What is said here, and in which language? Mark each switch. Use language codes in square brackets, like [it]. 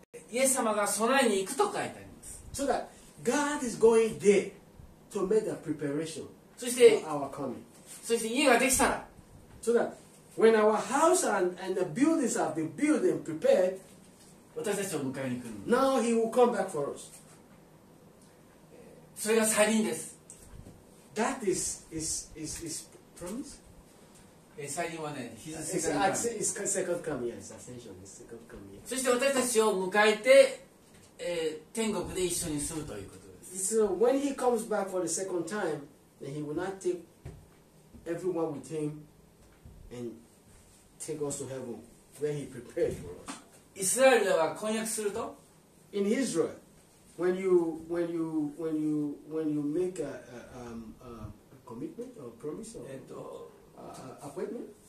[ja] イエス様が備えに行くと書いてあります。 [en] So that God is going there to make a preparation for our coming. [ja] そして家ができたら [en] So that,When our house and the buildings have been built and prepared, [ja] 私たちを迎えに行くの。 [en] Now he will come back for us. [ja] それが再臨です。 [en] That is promise? [ja] 再臨はね、 [en] His second coming. It's ascension, it's second coming. [ja] そして私たちを迎えて、天国で一緒に住むということです。 [en] So when he comes back for the second time, then he will not take everyone with him. And take us to heaven when he prepared for us. [ja] Israel では翻訳すると [en] In Israel, when you make a commitment or promise or appointment,